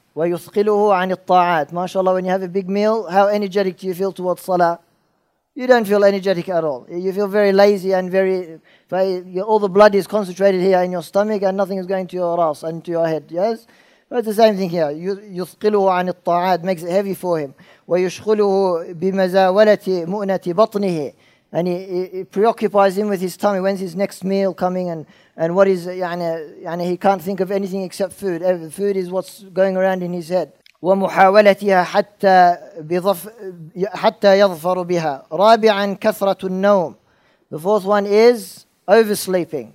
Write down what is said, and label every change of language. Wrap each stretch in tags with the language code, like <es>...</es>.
<ar>ويثقله عن الطاعات.</ar> <en>MashaAllah, when you have a big meal, how energetic do you feel towards salah? You don't feel energetic at all. You feel very lazy and very, all the blood is concentrated here in your stomach and nothing is going to your ras and to your head, yes? But it's the same thing here.</en> <ar>يثقله عن الطاعات,</ar> <en>makes it heavy for him.</en> <ar>ويشغله بمزاولة مؤنة بطنه.</ar> <en>And it preoccupies him with his tummy. When's his next meal coming? And what is,</en> <ar>يعني</ar> <en>he can't think of anything except food. Food is what's going around in his head.</en> <ar>وَمُحَاوَلَتِهَا حَتَّى يَظْفَرُ بِهَا. رَابِعًا كَثْرَةُ النَّوْمِ.</ar> <en>The fourth one is oversleeping.</en>